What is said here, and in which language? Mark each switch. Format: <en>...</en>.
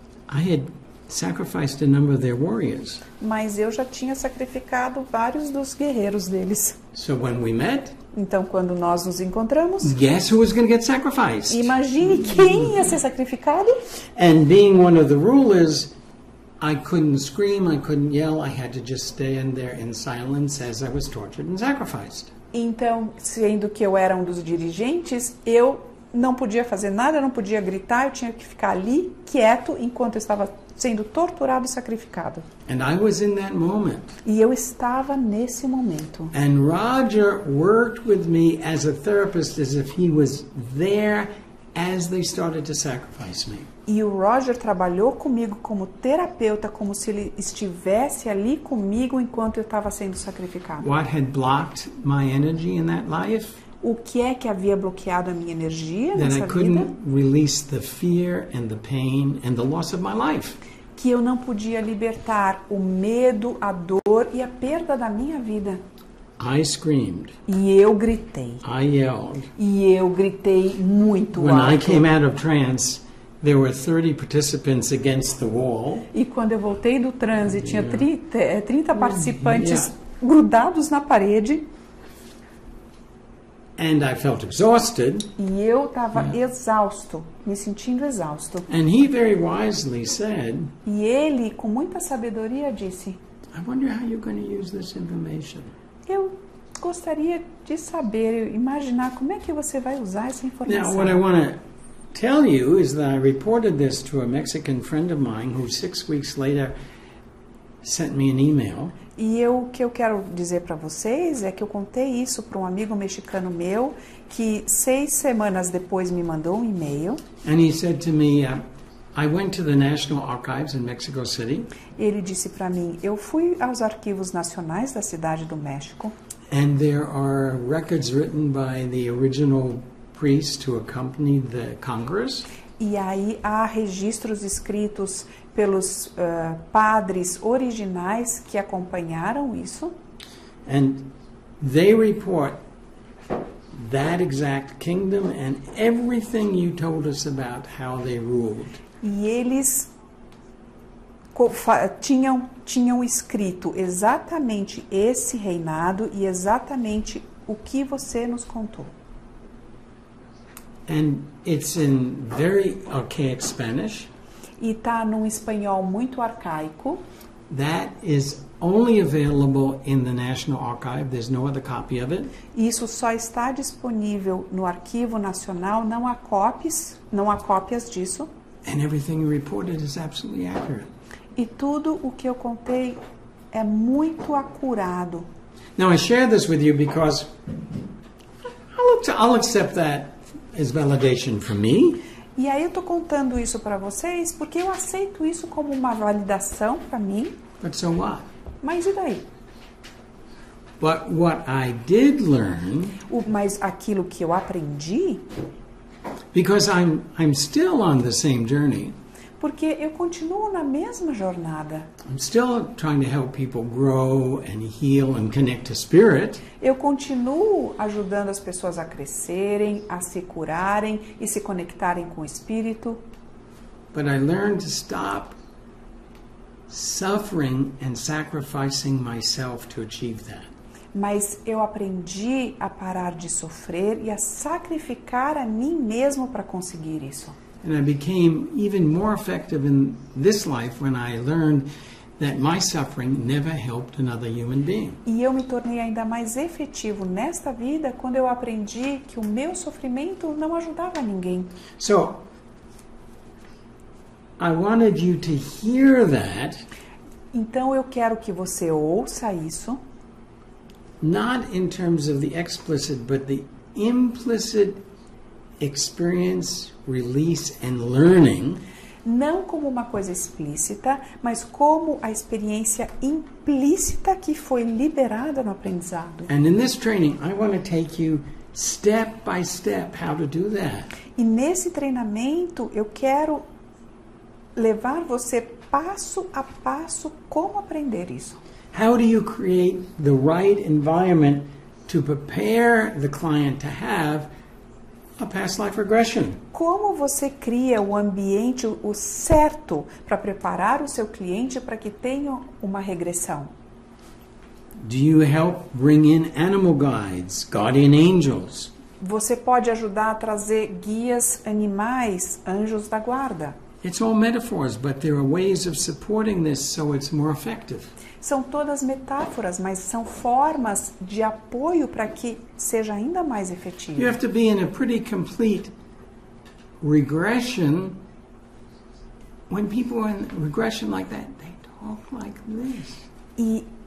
<en>I had sacrificed a number of their warriors.</en> <pt>Mas eu já tinha sacrificado vários dos guerreiros deles.</pt> <en>So when we met,</en> <pt>então quando nós nos encontramos,</pt> <en>guess who was going to get sacrificed?</en> <pt>Imagine quem ia ser sacrificado?</pt> <en>And being one of the rulers, I couldn't scream, I couldn't yell, I had to just stand there in silence as I was tortured and sacrificed.</en> <pt>Então, sendo que eu era um dos dirigentes, eu não podia fazer nada, eu não podia gritar, eu tinha que ficar ali quieto enquanto eu estava sendo torturado e sacrificado.</pt> <en>And I was in that moment.</en> <pt>E eu estava nesse momento.</pt> <en>And Roger worked with me as a therapist as if he was there as they started to sacrifice me.</en> <pt>E o Roger trabalhou comigo como terapeuta, como se ele estivesse ali comigo enquanto eu estava sendo sacrificado.</pt> <en>What had blocked my energy in that life?</en> <pt>O que é que havia bloqueado a minha energia nessa vida?</pt> <en>I couldn't release the fear and the pain and the loss of my life.</en> <pt>Que eu não podia libertar o medo, a dor e a perda da minha vida.</pt> <en>I screamed.</en> <pt>E eu gritei.</pt> <en>I yelled.</en> <pt>E eu gritei muito</pt> <en>When</en> <pt>alto.</pt> <en>When I came out of trance, there were 30 participants against the wall.</en> <pt>E quando eu voltei do transe, tinha 30 participantes grudados na parede.</pt> <en>And I felt exhausted.</en> <pt>E eu estava exausto, me sentindo exausto.</pt> <en>And he very wisely said,</en> <pt>e ele, com muita sabedoria, disse,</pt> <en>I wonder how you're going to use this information.</en> <pt>Eu gostaria de saber, imaginar como é que você vai usar essa informação.</pt> <en>Now, what I want to tell you is that I reported this to a Mexican friend of mine who 6 weeks later sent me an email.</en> <pt>E eu, o que eu quero dizer para vocês é que eu contei isso para um amigo mexicano meu que 6 semanas depois me mandou um e-mail.</pt> <en>And he said to me, I went to the National Archives in Mexico City.</en> <pt>Ele disse para mim, eu fui aos arquivos nacionais da cidade do México.</pt> <en>And there are records written by the original priest who accompanied the Congress.</en> <pt>E aí há registros escritos pelos padres originais que acompanharam isso.</pt> <en>And they report that exact kingdom and everything you told us about how they ruled.</en> <pt>E eles tinham escrito exatamente esse reinado e exatamente o que você nos contou.</pt> <en>And it's in very archaic Spanish.</en> <pt>E tá num espanhol muito arcaico.</pt> <en>That is only available in the National Archive. There's no other copy of it.</en> <pt>Isso só está disponível no Arquivo Nacional. Não há cópias, disso.</pt> <en>And everything you reported is absolutely accurate.</en> <pt>E tudo o que eu contei é muito acurado.</pt> <en>Now I share this with you because I'll accept that as validation for me.</en> <pt>E aí eu tô contando isso para vocês porque eu aceito isso como uma validação para mim.</pt> <en>But so what?</en> <pt>Mas e daí?</pt> <en>But what I did learn.</en> <pt>Mas aquilo que eu aprendi.</pt> <en>Because I'm still on the same journey.</en> <pt>Porque eu continuo na mesma jornada.</pt> <en>I'm still trying to help people grow and heal and connect to spirit.</en> <pt>Eu continuo ajudando as pessoas a crescerem, a se curarem e se conectarem com o espírito.</pt> <en>But I learned to stop suffering and sacrificing myself to achieve that.</en> <pt>Mas eu aprendi a parar de sofrer e a sacrificar a mim mesmo para conseguir isso.</pt> <en>And I became even more effective in this life when I learned that my suffering never helped another human being.</en> <pt>E eu me tornei ainda mais efetivo nesta vida quando eu aprendi que o meu sofrimento não ajudava ninguém.</pt> <en>So, I wanted you to hear that.</en> <pt>Então eu quero que você ouça isso.</pt> <en>Not in terms of the explicit, but the implicit experience, release, and learning.</en> <pt>Não como uma coisa explícita, mas como a experiência implícita que foi liberada no aprendizado.</pt> <en>And in this training, I want to take you step by step how to do that.</en> <pt>E nesse treinamento, eu quero levar você passo a passo como aprender isso.</pt> <en>How do you create the right environment to prepare the client to have a past life regression?</en> <pt>Como você cria o ambiente o certo para preparar o seu cliente para que tenha uma regressão?</pt> <en>Do you help bring in animal guides, guardian angels?</en> <pt>Você pode ajudar a trazer guias animais, anjos da guarda?</pt> <en>It's all metaphors, but there are ways of supporting this so it's more effective.</en> <pt>São todas metáforas, mas são formas de apoio para que seja ainda mais efetivo.</pt> <en>You have to be in a pretty complete regression. When people are in regression like that, they talk like this.</en>